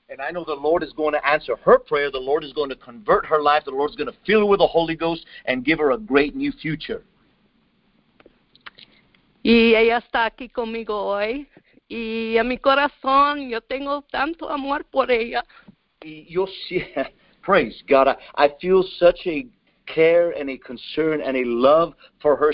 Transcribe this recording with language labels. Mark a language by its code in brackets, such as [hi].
[en] And I know the Lord is going to answer her prayer. The Lord is going to convert her life. The Lord is going to fill her with the Holy Ghost and give her a great new future. [es] Y ella está aquí conmigo hoy. Y en mi corazón, yo tengo tanto amor por ella. Y yo sí, [en] praise God. I feel such a care and a concern and a love for her.